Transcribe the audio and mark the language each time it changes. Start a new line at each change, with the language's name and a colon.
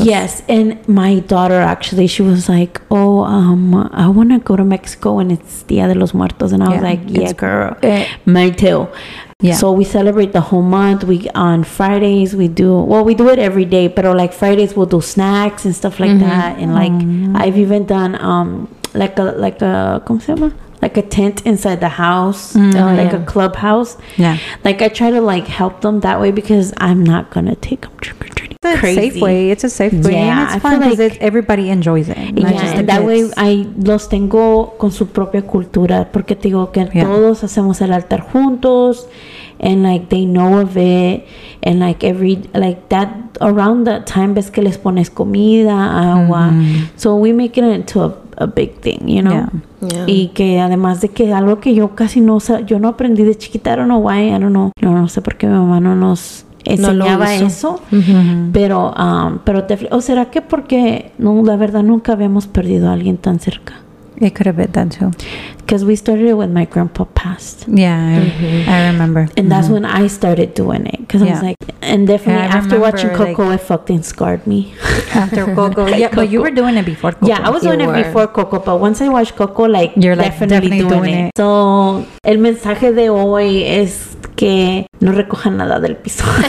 English: Yes, and my daughter actually, she was like, I want to go to Mexico and it's Día de los Muertos. And I was like, yeah, girl, me too. Yeah. So we celebrate the whole month. We on Fridays we do it every day, but like Fridays we'll do snacks and stuff like mm-hmm. that. And like mm-hmm. I've even done like a
Spanish: ¿cómo se llama?
English: Like a tent inside the house, mm-hmm. A clubhouse. Yeah. Like I try to like help them that way because I'm not gonna take them trick or treating. It's a safe way. It's a safe way. Yeah, and it's fun because like everybody enjoys it.
Spanish: Way I los tengo con su propia cultura porque te digo que todos hacemos el altar juntos.
English: And like they know of it, and like every like that around that time,
Spanish: ves que les pones comida, agua.
English: Mm-hmm. So we make it into a big thing, you know. Yeah. Yeah.
Spanish: Y que además de que algo que yo casi no sé, yo no aprendí de chiquita.
English: I don't know why.
Spanish: No sé por qué mi mamá no nos enseñaba no eso. Mm-hmm. Pero será que porque no, la verdad nunca habíamos perdido a alguien tan cerca.
English: It could have been that too. Because we started it when my grandpa passed. Yeah, mm-hmm. I remember. And that's mm-hmm. when I started doing it. Because I was like, and definitely after watching Coco, like, it fucking scarred me. After Coco. Yeah, Coco. But you were doing it before Coco. Yeah, I was doing it before Coco. But once I watched Coco, like, you're like, definitely doing it.
Spanish: So, el mensaje de hoy es que no recojan nada del piso.